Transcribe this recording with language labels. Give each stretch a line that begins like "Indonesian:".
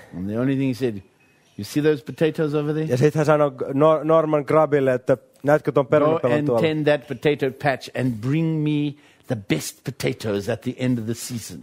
English: And the only thing he said, you see those potatoes over there?
Finnish: Ja sitten hän sanoi Norman Grubbille, että näetkö tuon perunapellon tuolla?
English: Go and tend that potato patch and bring me the best potatoes at the end of the season.